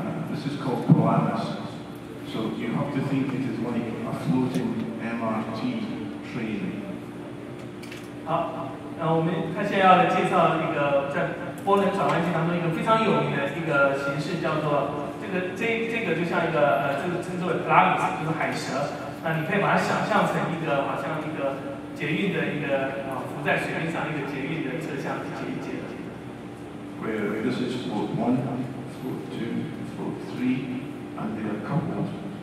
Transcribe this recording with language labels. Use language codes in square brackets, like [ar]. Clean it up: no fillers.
[en] This is called Polaris. So you have to think it is like a floating MRT train. [zh] 好，那我们他现在要来介绍一个在波能转换器当中一个非常有名的一个形式，叫做这个称作 Polaris， 就是海蛇。那你可以把它想象成一个好像一个捷运的一个浮在水面上一个捷运的车厢，捷运。 [en] Where this is float 1, float 2, float 3, and they are coupled.